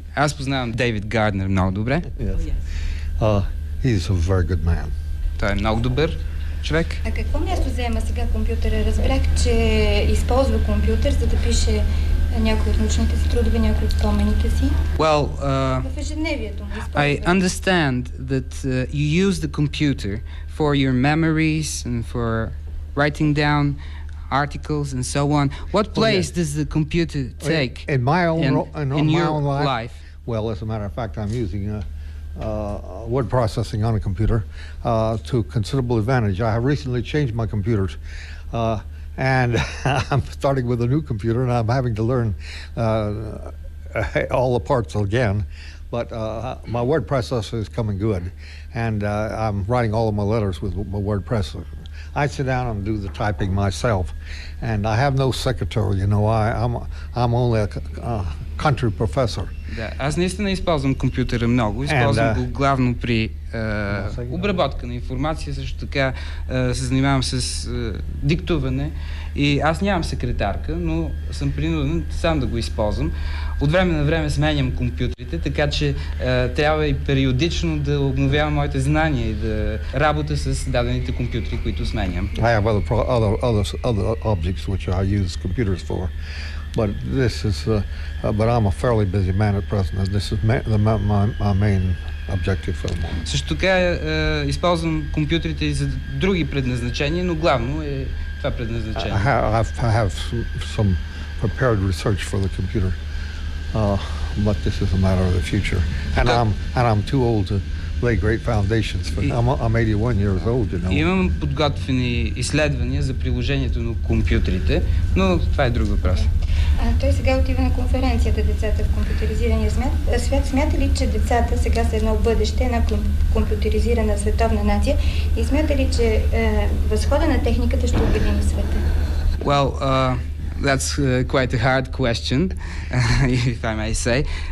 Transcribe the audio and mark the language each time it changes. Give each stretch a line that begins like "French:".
Bulgarian: Аз познавам Дейвид Гарднер много добре.
English: He's a very good man.
Bulgarian: Той е много добър човек. А какво място взема сега компютъра? Разбрах, че използва компютър, за да пише някои от научните си трудове, някои от спомените си.
English: Well,
Bulgarian: в ежедневието.
English: I understand that you use the computer for your memories and for writing down articles and so on. What place does the computer take in my own life? Well, as a matter of fact, I'm using word processing on a computer to considerable advantage. I have recently changed my computers and I'm starting with a new computer and I'm having to learn all the parts again. But my word processor is coming good and I'm writing all of my letters with my word processor. I sit down and do the typing myself, and I have no secretary, you know, I'm only a country professor.
Bulgarian: Да, аз наистина използвам компютъра много, използвам го главно при обработка на информация, също така се занимавам с диктуване и аз нямам секретарка, но съм принуден сам да го използвам. От време на време сменям компютрите, така че трябва и периодично да обновявам моите знания и да работя с дадените компютри, които сменям.
English: I have other objects which I use computers for. But this is, but I'm a fairly busy man at present, and this is my main objective for the moment.
Bulgarian: Също така използвам компютрите и за други предназначения, но главно е това предназначение.
English: I have some prepared research for the computer, but this is a matter of the future, and I'm too old to lay great foundations for. I'm 81 years old, you know.
Bulgarian: Имам подготвени изследвания за приложението на компютрите, но това е друг въпрос. Той сега отива на конференцията Децата в компютъризирания свят. Смята ли, че децата сега са едно бъдеще, една компютъризирана световна нация? И смята ли, че възхода на техниката ще обедини света?
English: Well, that's quite a hard question, if I may say.